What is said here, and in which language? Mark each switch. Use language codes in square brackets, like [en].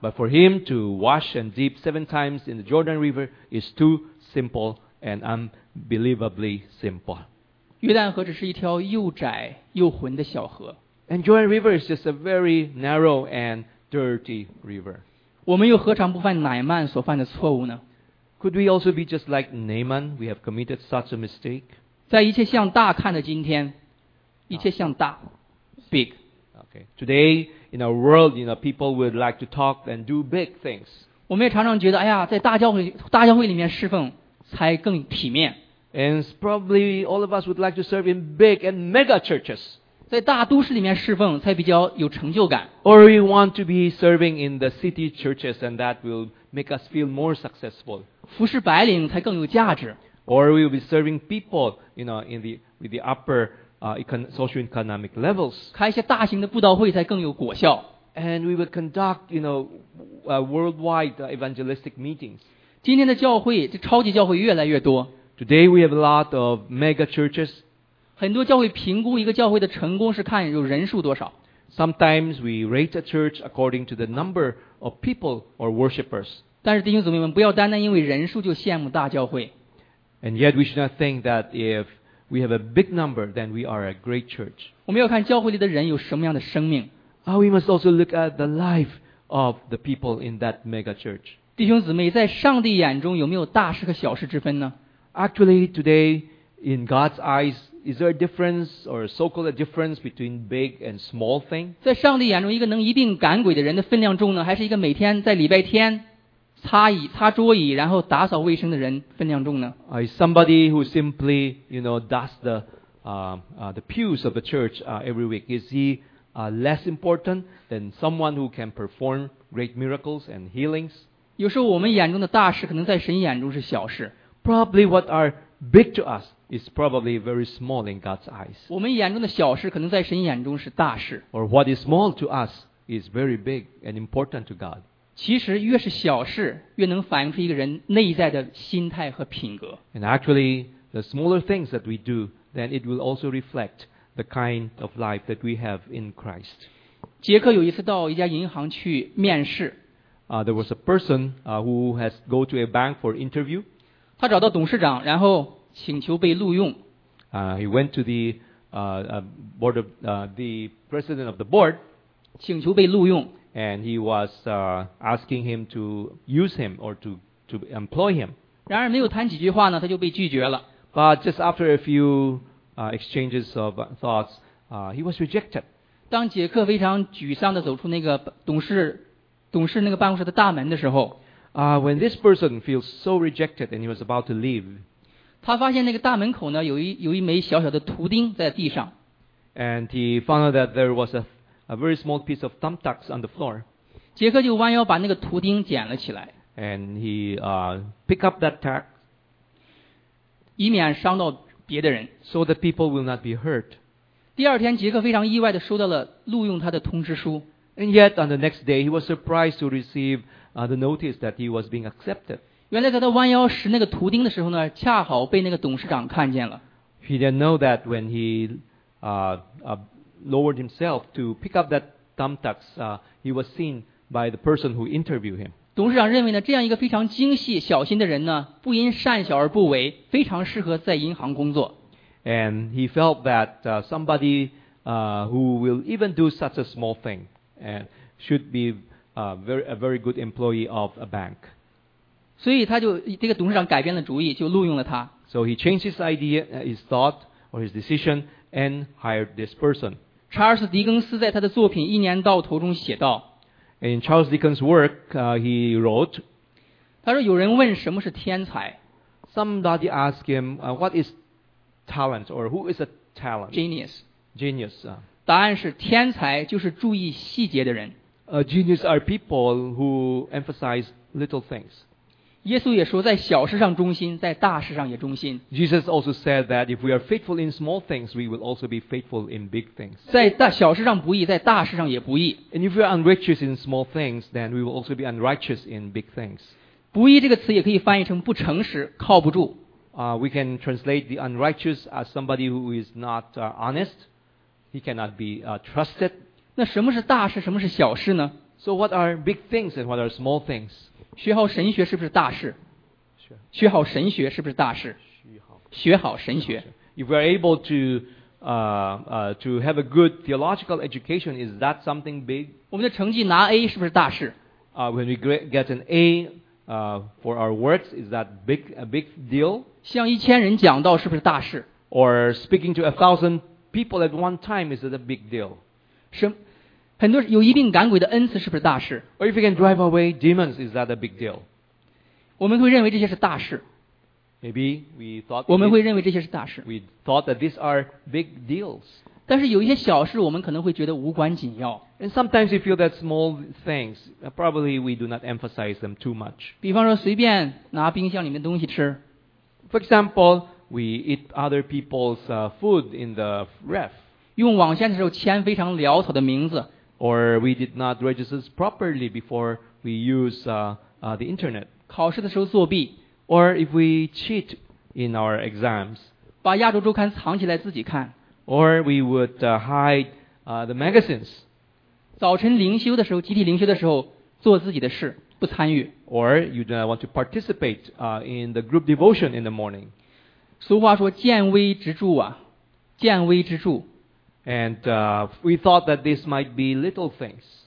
[en] But for him to wash and dip 7 times in the Jordan River is too simple and unbelievably simple. [zh] 约旦河只是一条又窄又浑的小河。 [en] And Jordan River is just a very narrow and dirty river. [zh] 我们又何尝不犯乃曼所犯的错误呢？ [en] Could we also be just like Naaman? We have committed such a mistake. [zh] 在一切向大看的今天，一切向大 ，big. [en] Okay, today. In our world, you know, people would like to talk and do big things. [zh] 我们也常常觉得，哎呀，在大教会里面侍奉才更体面。 [en] And probably all of us would like to serve in big and mega churches. [zh] 在大都市里面侍奉才比较有成就感。 [en] Or we want to be serving in the city churches, and that will make us feel more successful. [zh] 服侍白领才更有价值。 [en] Or we will be serving people, you know, with the upper. Socioeconomic levels. [zh] 开一些大型的布道会才更有果效。 [en] And we would conduct, you know, worldwide evangelistic meetings. [zh] 今天的教会，这超级教会越来越多。 [en] Today we have a lot of mega churches. [zh] 很多教会评估一个教会的成功是看有人数多少。 [en] Sometimes we rate a church according to the number of people or worshippers. [zh] 但是弟兄姊妹们，不要单单因为人数就羡慕大教会。 [en] And yet we should not think that if. We have a big number, then we are a great church. [zh] 我们要看教会里的人有什么样的生命。 [en] We must also look at the life of the people in that mega church. [zh] 弟兄姊妹，在上帝眼中有没有大事和小事之分呢？ [en] Actually, today, in God's eyes, is there a difference or so-called a difference between big and small thing? [zh] 在上帝眼中，一个能一定赶鬼的人的分量重呢，还是一个每天在礼拜天擦桌椅然后打扫卫生的人分量重呢？ [en] Somebody who simply, you know, dust the pews of the church every week, is he less important than someone who can perform great miracles and healings? [zh] 有时候我们眼中的大事可能在神眼中是小事。 [en] Probably what are big to us is probably very small in God's eyes. [zh] 我们眼中的小事可能在神眼中是大事。 [en] Or what is small to us is very big and important to God. [zh] 其实越是小事越能反映出一个人内在的心态和品格。 [en] And actually, the smaller things that we do, then it will also reflect the kind of life that we have in Christ. [zh] 杰克有一次到一家银行去面试。 [en] There was a person who has go to a bank for interview. [zh] 他找到董事长，然后请求被录用。 [en] He went to the board of the president of the board. [zh] 请求被录用。 [en] And he was asking him to use him or to employ him. [zh] 然而没有谈几句话呢，他就被拒绝了。 [en] But just after a few exchanges of thoughts, he was rejected. [zh] 当杰克非常沮丧地走出那个董事那个办公室的大门的时候， [en] When this person feels so rejected and he was about to leave, [zh] 他发现那个大门口呢有一枚小小的图钉在地上。 [en] And he found out that there was a very small piece of thumbtacks on the floor. [zh] 杰克就弯腰把那个图钉捡了起来。 [en] And he picked up that tack, [zh] 以免伤到别的人。 [en] So that people will not be hurt. [zh] 第二天杰克非常意外地收到了录用他的通知书。 [en] And yet, on the next day, he was surprised to receive the notice that he was being accepted. [zh] 原来在他弯腰拾那个图钉的时候呢，恰好被那个董事长看见了。 [en] He didn't know that when he lowered himself to pick up that thumbtacks, he was seen by the person who interviewed him. [zh] 董事长认为呢，这样一个非常精细小心的人呢，不因善小而不为，非常适合在银行工作。 [en] And he felt that somebody who will even do such a small thing. And should be a very good employee of a bank. [zh] 所以他就这个董事长改变了主意，就录用了他。 [en] So he changed his idea, his thought, or his decision, and hired this person. [zh] 查尔斯·狄更斯在他的作品《一年到头》中写道 [en] ：In Charles Dickens' work, he wrote. [zh] 他说：“有人问什么是天才 [en] ？”Somebody asked him, "What is talent, or who is a talent?" Genius. Genius. [zh] 答案是天才就是注意细节的人。 [en] Genius are people who emphasize little things. [zh] 耶稣也说在小事上忠心，在大事上也忠心。 [en] Jesus also said that if we are faithful in small things, we will also be faithful in big things. [zh] 在大小事上不义，在大事上也不义。 [en] And if we are unrighteous in small things, then we will also be unrighteous in big things. [zh] 不义这个词也可以翻译成不诚实，靠不住。 [en] We can translate the unrighteous as somebody who is not honest. He cannot be trusted. [zh] 那什么是大事，什么是小事呢？ [en] So what are big things and what are small things? [zh] 学好神学是不是大事？ [en] Sure. [zh] 学好神学是不是大事？学好神学。 [en] If we are able to have a good theological education, is that something big? [zh] 我们的成绩拿 A 是不是大事？ [en] When we get an A for our works, is that a big deal? [zh] 向一千人讲道是不是大事？ [en] Or speaking to 1,000People at one time is a big deal. [zh] 很多有一病赶鬼的恩赐是不是大事？ [en] Or if you can drive away demons, is that a big deal? [zh] 我们会认为这些是大事。 [en] Maybe we thought. [zh] 我们会认为这些是大事。 [en] We thought that these are big deals. [zh] 但是有一些小事，我们可能会觉得无关紧要。 [en] And sometimes we feel that small things, probably we do not emphasize them too much. [zh] 比方说，随便拿冰箱里面的东西吃。 [en] For example. We eat other people's food in the ref. [zh] 用网线的时候签非常潦草的名字。 [en] Or we did not register properly before we use the internet. [zh] 考试的时候作弊。 [en] Or if we cheat in our exams. [zh] 把亚洲周刊藏起来自己看。 [en] Or we would hide the magazines. [zh] 早晨灵修的时候，集体灵修的时候做自己的事，不参与。 [en] Or you do not want to participate in the group devotion in the morning. [zh] 俗话说见微知著啊，见微知著。 [en] And we thought that this might be little things.